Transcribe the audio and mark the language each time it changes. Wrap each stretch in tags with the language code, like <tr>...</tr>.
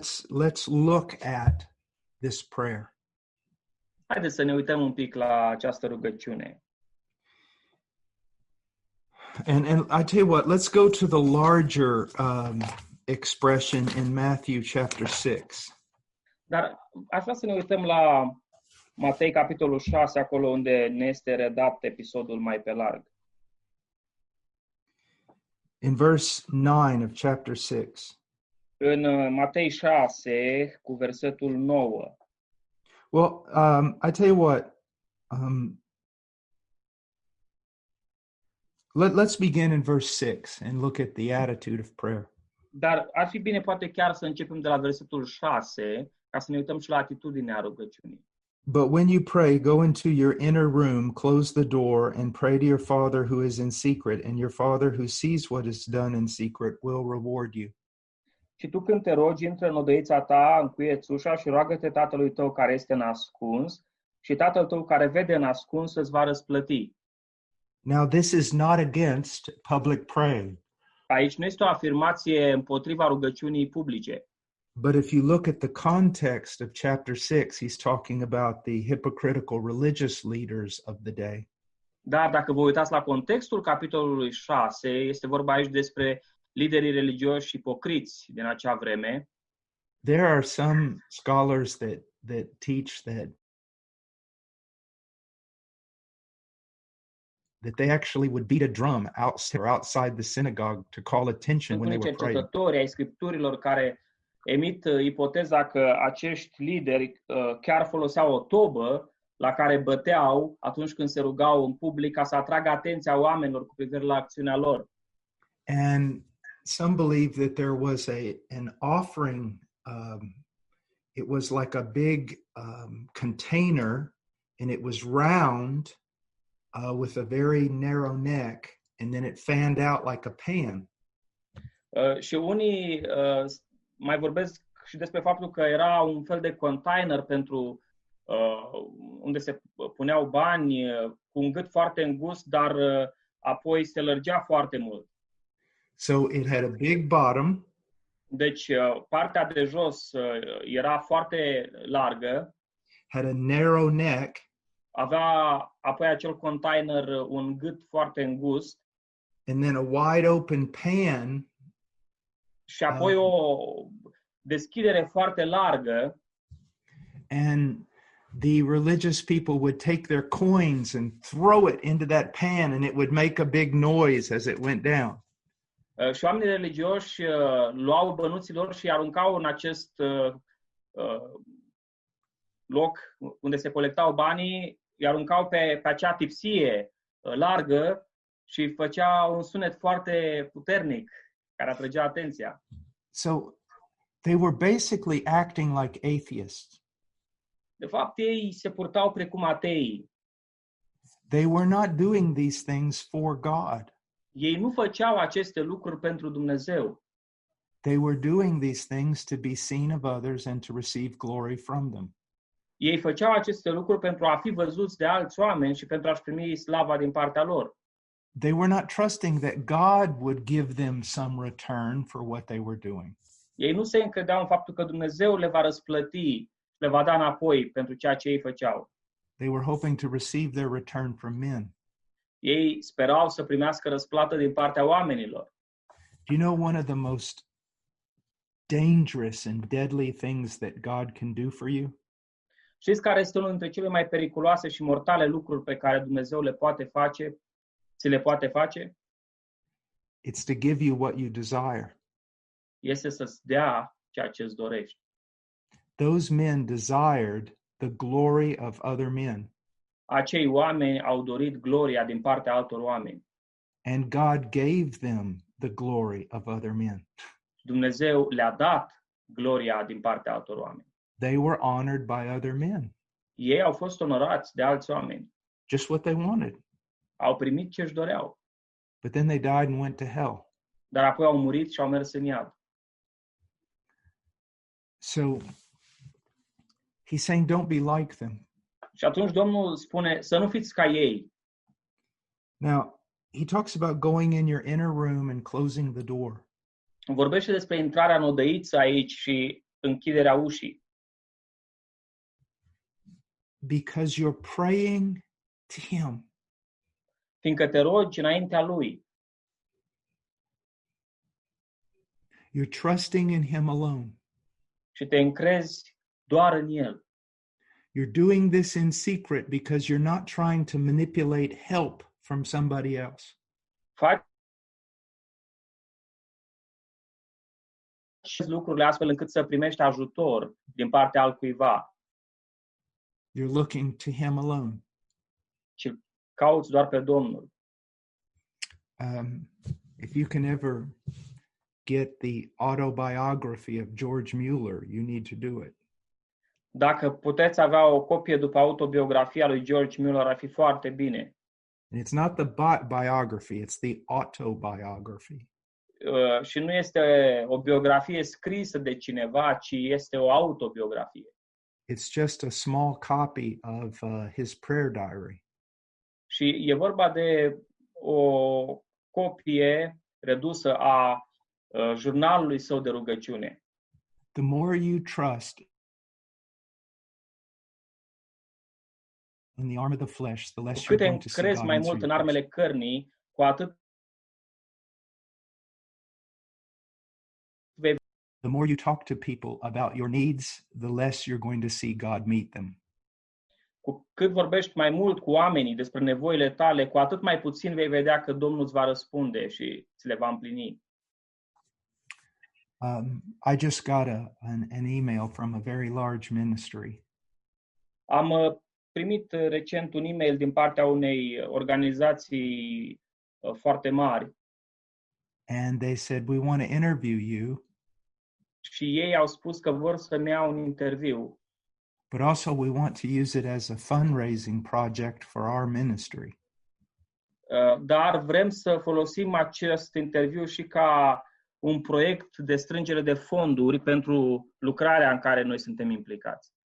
<en>Let's look at this prayer.</en> <ro>Haideți să ne uităm un pic la această rugăciune.</ro> <en>And I tell you what, let's go to the larger expression in Matthew chapter 6.</en> <ro>Dar aș vrea să ne uităm la Matei capitolul 6, acolo unde ne este redat episodul mai pe larg.</ro> <en>In verse 9 of chapter 6.</en> <ro>În Matei 6 cu versetul 9.</ro> <en>Well, I tell you what, let's begin in verse 6 and look at the attitude of prayer.</en> <ro>Dar ar fi bine poate chiar să începem de la versetul 6 ca să ne uităm și la atitudinea rugăciunii.</ro> <en>But when you pray, go into your inner room, close the door and pray to your Father who is in secret, and your Father who sees what is done in secret will reward you.</en> <ro>Și tu când te rogi, intră în odăița ta, în cuiețușa și roagă-te tatălui tău care este în ascuns și tatăl tău care vede în ascuns îți va răsplăti.</ro> <en>Now this is not against public praying.</en> <ro>Aici nu este o afirmație împotriva rugăciunii publice.</ro> <en>But if you look at the context of chapter 6, he's talking about the hypocritical religious leaders of the day.</en> <ro>Dar dacă vă uitați la contextul capitolului 6, este vorba aici despre liderii religioși ipocriți din acea vreme.</ro> <en>There are some scholars that teach that they actually would beat a drum outside the synagogue to call attention when they were praying.</en> <ro>Sunt cercetători ai scripturilor care emit ipoteza că acești lideri chiar foloseau o tobă la care băteau atunci când se rugau în public ca să atragă atenția oamenilor cu privire la acțiunea lor.</ro> <en>And some believe that there was an offering, it was like a big container and it was round with a very narrow neck and then it fanned out like a pan.</en> <ro>Și unii mai vorbesc și despre faptul că era un fel de container pentru unde se puneau bani cu un gât foarte îngust, dar apoi se lărgea foarte mult.</ro> <en>So it had a big bottom.</en> <ro>Deci partea de jos era foarte largă.</ro> <en>Had a narrow neck.</en> <ro>Avea apoi acel container un gât foarte îngust.</ro> <en>And then a wide open pan.</en> <ro>Și apoi o deschidere foarte largă.</ro> <en>And the religious people would take their coins and throw it into that pan and it would make a big noise as it went down.</en> <ro>Și oamenii religioși luau bănuții lor și aruncau în acest loc unde se colectau banii, aruncau pe acea tipsie largă și făcea un sunet foarte puternic care atrăgea atenția.</ro> <en>So they were basically acting like atheists.</en> <ro>De fapt, ei se purtau precum atei.</ro> <en>They were not doing these things for God.</en> <ro>Ei nu făceau aceste lucruri pentru Dumnezeu.</ro> <en>They were doing these things to be seen of others and to receive glory from them.</en> <ro>Ei făceau aceste lucruri pentru a fi văzuți de alți oameni și pentru a-și primi slava din partea lor.</ro> <en>They were not trusting that God would give them some return for what they were doing.</en> <ro>Ei nu se încredeau în faptul că Dumnezeu le va răsplăti, le va da înapoi pentru ceea ce ei făceau.</ro> <en>They were hoping to receive their return from men.</en> <ro>Ei sperau să primească răsplată din partea oamenilor.</ro> <en>Do you know one of the most dangerous and deadly things that God can do for you?</en> <ro>Știți care este unul dintre cele mai periculoase și mortale lucruri pe care Dumnezeu le poate face, ți le poate face?</ro> <en>It's to give you what you desire.</en> <ro>Este să-ți dea ceea ce îți dorești.</ro> <en>Those men desired the glory of other men.</en> <ro>Acei oameni au dorit gloria din partea altor oameni.</ro> <en>And God gave them the glory of other men.</en> <ro>Dumnezeu le-a dat gloria din partea altor oameni.</ro> <en>They were honored by other men.</en> <ro>Ei au fost onorați de alți oameni.</ro> <en>Just what they wanted.</en> <ro>Au primit ce își doreau.</ro> <en>But then they died and went to hell.</en> <ro>Dar apoi au murit și au mers în iad.</ro> <en>So he's saying, don't be like them.</en> <ro>Și atunci Domnul spune, să nu fiți ca ei.</ro> <en>Now, he talks about going in your inner room and closing the door.</en> <ro>Vorbește despre intrarea în odăiță aici și închiderea ușii.</ro> <en>Because you're praying to him.</en> <ro>Fiindcă te rogi înaintea lui.</ro> <en>You're trusting in him alone.</en> <ro>Și te încrezi doar în el.</ro> <en>You're doing this in secret because you're not trying to manipulate help from somebody else.</en> <ro>Faci lucrurile astfel încât să primești ajutor din partea altcuiva.</ro> <en>You're looking to him alone.</en> <ro>Ci cauți doar pe Domnul.</ro> <en>If you can ever get the autobiography of George Mueller, you need to do it.</en> <ro>Dacă puteți avea o copie după autobiografia lui George Mueller, ar fi foarte bine.</ro> <en>And it's not the biography, it's the autobiography.</en> <ro>și nu este o biografie scrisă de cineva, ci este o autobiografie.</ro> <en>It's just a small copy of his prayer diary.</en> <ro>Și e vorba de o copie redusă a jurnalului său de rugăciune.</ro> <en>The more you trust in the arm of the flesh, the less you're going to see God.</en> <ro>Cu cât crezi mai mult în armele cărnii, cu atât</ro> <en>the more you talk to people about your needs, the less you're going to see God meet them.</en> <ro>Cu cât vorbești mai mult cu oamenii despre nevoile tale, cu atât mai puțin vei vedea că Domnul îți va răspunde și ți le va împlini.</ro> <en>I just got an email from a very large ministry.</en> <ro>Am primit recent un email din partea unei organizații foarte mari.</ro> <en>And they said, we want to interview you.</en> <ro>Și ei au spus că vor să ne ia un interviu.</ro> <en>But also we want to use it as a fundraising project for our ministry.</en> <ro>Dar vrem să folosim acest interviu și ca un proiect de strângere de fonduri pentru lucrarea în care noi suntem implicați.</ro>